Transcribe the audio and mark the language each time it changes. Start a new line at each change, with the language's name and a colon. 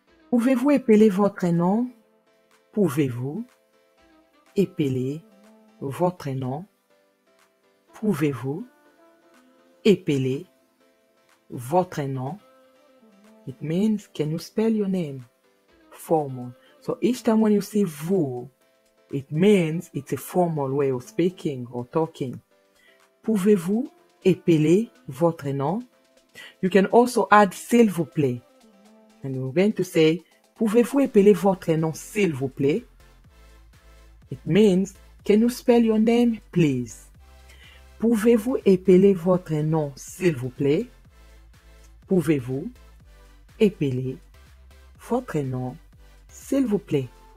French: Pouvez-vous épeler votre nom? Pouvez-vous épeler votre nom? Pouvez-vous épeler votre nom?
English: It means, can you spell your name? Formal. So each time when you say
French: vous,
English: it means it's a formal way of speaking or talking.
French: Pouvez-vous épeler votre nom?
English: You can also add
French: s'il vous plaît.
English: And we're going to say,
French: pouvez-vous épeler votre nom s'il vous plaît?
English: It means, can you spell your name, please?
French: Pouvez-vous épeler votre nom s'il vous plaît? Pouvez-vous épeler votre nom s'il vous plaît?